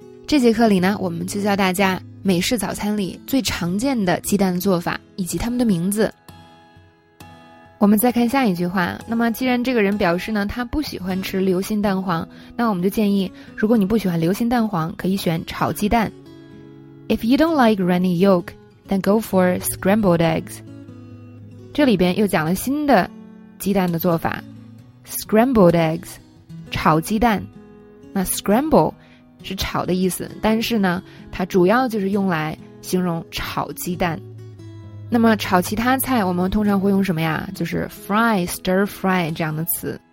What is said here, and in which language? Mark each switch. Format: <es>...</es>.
<zh>这节课里呢，我们就教大家美式早餐里最常见的鸡蛋做法以及它们的名字。我们再看下一句话，那么既然这个人表示呢他不喜欢吃流心蛋黄，那我们就建议，如果你不喜欢流心蛋黄可以选炒鸡蛋。</zh> <en>If you don't like runny yolk, then go for scrambled eggs.</en> <zh>这里边又讲了新的鸡蛋的做法， scrambled eggs, 炒鸡蛋。那 scramble 是炒的意思，但是呢它主要就是用来形容炒鸡蛋。那么炒其他菜我们通常会用什么呀，就是 fry, stir fry 这样的词。</zh>